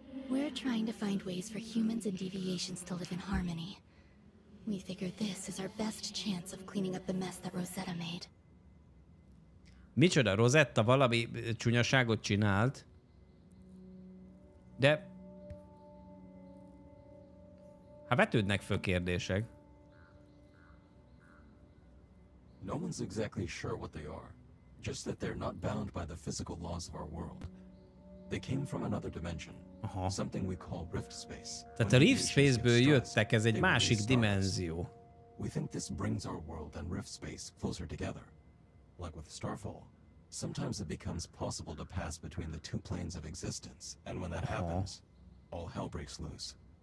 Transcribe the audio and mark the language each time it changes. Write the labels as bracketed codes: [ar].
[en] We're trying to find ways for humans and deviations to live in harmony. We figure this is our best chance of cleaning up the mess that Rosetta made. [hu] Micsoda, Rosetta valami csúnyaságot csinált, de hát vetődnek föl kérdések. [en] No one's exactly sure what they are, just that they're not bound by the physical laws of our world. They came from another dimension, something we call Rift Space. [hu] Tehát a Rift Space-ből jöttek, ez egy másik dimenzió. [en] We think this brings our world and Rift Space closer together, like with Starfall. Sometimes it becomes possible to pass between the two planes of existence, and when that happens, all hell breaks loose.